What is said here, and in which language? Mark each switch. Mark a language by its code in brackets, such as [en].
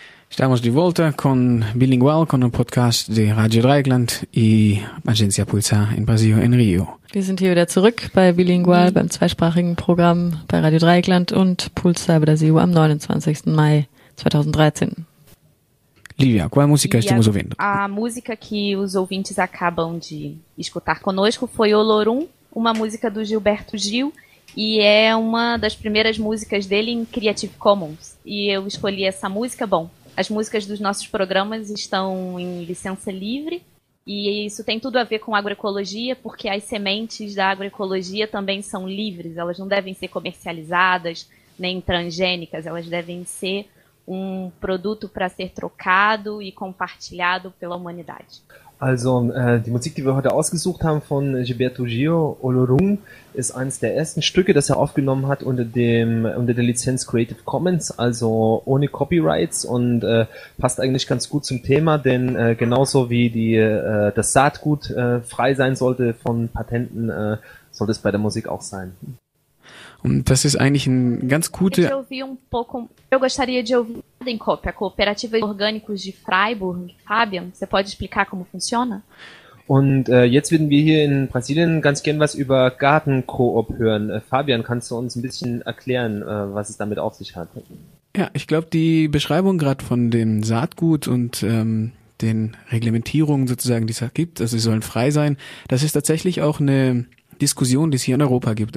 [pt] Estamos de volta com Bilingual, com o podcast de Radio Dreieckland e Agência Pulsar em Brasil, em Rio. [de] Wir sind hier wieder zurück bei Bilingual, beim zweisprachigen Programm bei Radio Dreieckland und Pulsar Brasil am 29. Mai 2013. [pt] Lívia, qual música estamos ouvindo? A música que os ouvintes acabam de escutar conosco foi Olorum, uma música do Gilberto Gil, e é uma das primeiras músicas dele em Creative Commons. E eu escolhi essa música, bom, as músicas dos nossos programas estão em licença livre e isso tem tudo a ver com agroecologia, porque as sementes da agroecologia também são livres, elas não devem ser comercializadas nem transgênicas, elas devem ser um produto para ser trocado e compartilhado pela humanidade. [de] Also, die Musik, die wir heute ausgesucht haben von Gilberto Gil, Olorum, ist eines der ersten Stücke, das er aufgenommen hat unter der Lizenz Creative Commons, also ohne Copyrights, und passt eigentlich ganz gut zum Thema, denn genauso wie das Saatgut frei sein sollte von Patenten, sollte es bei der Musik auch sein. Und das ist eigentlich ein ganz guter... [pt] Eu gostaria de ouvir em cópia a cooperativa Orgânicos de Freiburg. Fabian, você pode explicar como funciona? [de] Und jetzt würden wir hier in Brasilien ganz gern was über Gartenkoop hören. Fabian, kannst du uns ein bisschen erklären, was es damit auf sich hat? Ja, ich glaube, die Beschreibung gerade von dem Saatgut und den Reglementierungen sozusagen, die es gibt, also sie sollen frei sein, das ist tatsächlich auch eine Diskussion, die es hier in Europa gibt.